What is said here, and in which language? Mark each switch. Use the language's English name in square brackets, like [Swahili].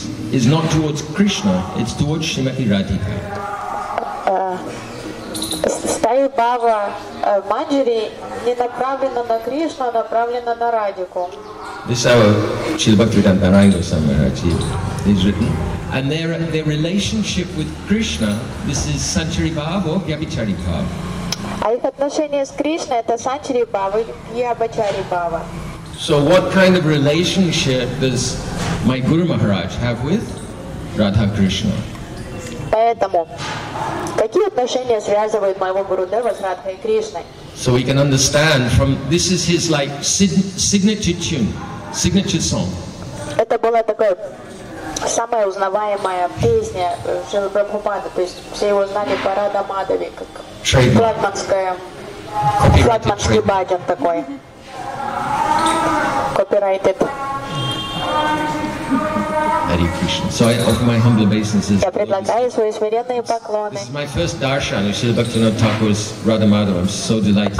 [English] Is not towards Krishna, it's towards Shrimati Radhika. [Russian] Стаи Бхава Манджари не направлена на Кришну, а направлена на Радику. [English] This our Śrīla Bhaktivedanta Narayana Swami Maharaji is written. And their relationship with Krishna, this is Sanchari Bhava or Vyabhichari Bhava. [Russian] А их отношения с Кришной — это Санчари Бхава и Вьябхичари Бхава. [English] So what kind of relationship does my Guru Maharaj have with Radha Krishna? [Russian] Поэтому какие отношения связывают моего Гурудева с Радхой Кришной? [English] So we can understand from this is his like signature tune, signature song. [Russian] Это была такая самая узнаваемая песня Шрилы Прабхупады, то есть все его знали по Радха Мадхаве, как флагманский баджан такой. [English] Copyrighted. Hare Krishna. So I offer my humble obeisances. [Russian] Я предлагаю свои смиренные поклоны. [English] This is my first darshan of Śrīla Bhaktivedanta Thakura's Radha Madhava. I'm so delighted.